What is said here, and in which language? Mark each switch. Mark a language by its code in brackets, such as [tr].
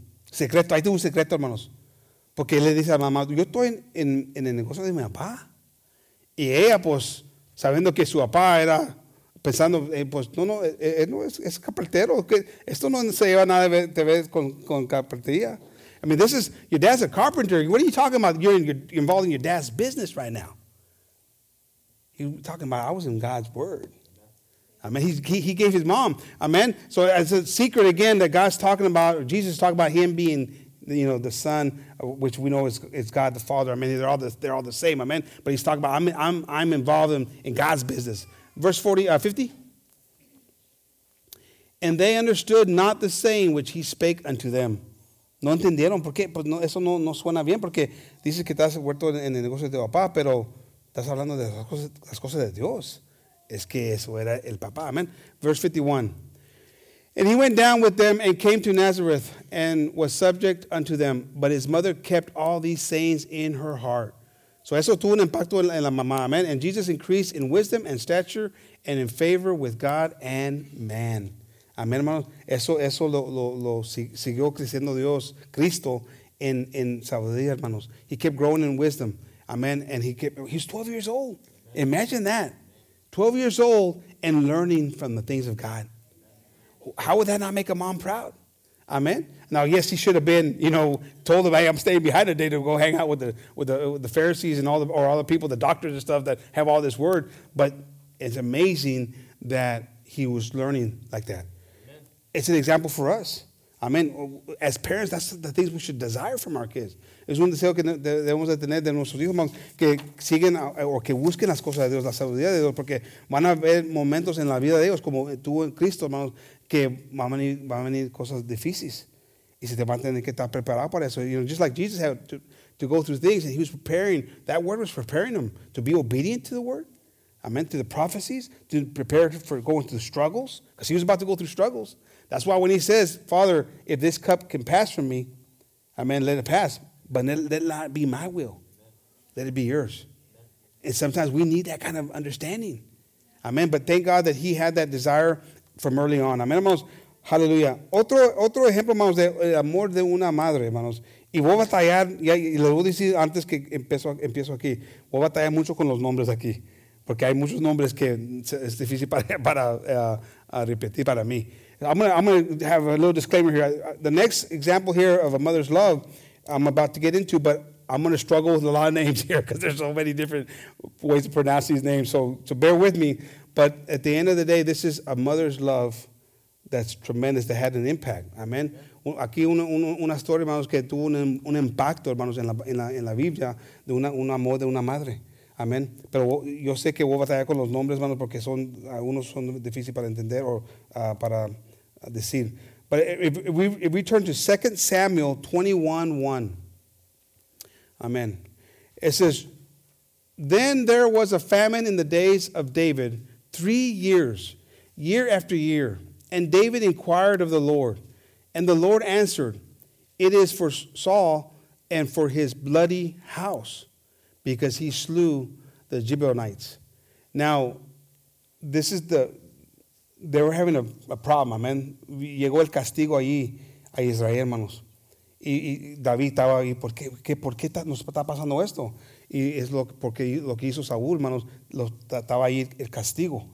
[es] Secreto, ahí tengo un secreto, hermanos. Porque él le dice a mamá, yo estoy en el negocio de mi papá. Y ella, pues, sabiendo que su papá era, pensando, pues, no, es carpintero. Esto no se lleva nada de ver con carpintería. [en] I mean, this is, your dad's a carpenter. What are you talking about? You're involved in your dad's business right now. You're talking about, I was in God's word. Amen. He gave his mom. Amen. So it's a secret again that God's talking about, or Jesus talking about him being, you know, the son, which we know is God the Father. I mean, they're all the same. Amen. But he's talking about, I'm involved in God's business. Verse 50. And they understood not the saying which he spake unto them. [es] No entendieron por qué. Pues no, eso no suena bien porque dices que estás huerto en el negocio de tu papá, pero estás hablando de las cosas de Dios. Es que eso era el papá. Amen. [en] Verse 51. And he went down with them and came to Nazareth and was subject unto them. But his mother kept all these sayings in her heart. [es] So eso tuvo un impacto en la mamá. Amen. [en] And Jesus increased in wisdom and stature and in favor with God and man. [es] Amen, hermanos. Eso lo siguió creciendo Dios, Cristo, en sabiduría, hermanos. [en] He kept growing in wisdom. Amen. And he's 12 years old. Amen. Imagine that. 12 years old and learning from the things of God. How would that not make a mom proud? Amen. Now, yes, he should have been, you know, told him, hey, I'm staying behind today to go hang out with the Pharisees and all the people, the doctors and stuff that have all this word. But it's amazing that he was learning like that. Amen. It's an example for us. Amen. As parents, that's the things we should desire from our kids. [es] Es un deseo que debemos de tener de nuestros hijos, que siguen o que busquen las cosas de Dios, la sabiduría de Dios, porque van a haber momentos en la vida de ellos, como tú en Cristo, hermanos, que van a venir cosas difíciles. Y se te van a tener que estar preparado para eso. [en] You know, just like Jesus had to go through things, and he was preparing, that word was preparing him to be obedient to the word. Amen. To the prophecies, to prepare for going through the struggles, because he was about to go through struggles. That's why when he says, Father, if this cup can pass from me, amen, let it pass. But let not be my will. Amen. Let it be yours. Amen. And sometimes we need that kind of understanding. Amen. But thank God that he had that desire from early on. [es] Amen, hermanos. Hallelujah. Otro ejemplo, hermanos, de amor de una madre, hermanos. Y voy a batallar, ya, y les voy a decir antes que empiezo aquí, voy a batallar mucho con los nombres aquí. Porque hay muchos nombres que es difícil para repetir para mí. [en] I'm gonna have a little disclaimer here. The next example here of a mother's love, I'm about to get into, but I'm going to struggle with a lot of names here because there's so many different ways to pronounce these names. So bear with me. But at the end of the day, this is a mother's love that's tremendous, that had an impact. Amen. [es] Aquí una historia, hermanos, que tuvo un impacto, hermanos, en la Biblia de un amor de una madre. Amen. Pero yo sé que voy a batallar con los nombres, hermanos, porque algunos son difíciles para entender o para decir. [en] But if we turn to 2 Samuel 21:1, amen. It says, then there was a famine in the days of David, 3 years, year after year. And David inquired of the Lord. And the Lord answered, it is for Saul and for his bloody house, because he slew the Gibeonites. Now, this is the, they were having a problem, amen. [es] Llegó el castigo allí a Israel, hermanos. Y David estaba ahí, ¿por qué nos está pasando esto? Y es lo, porque lo que hizo Saúl, hermanos, estaba ahí el castigo.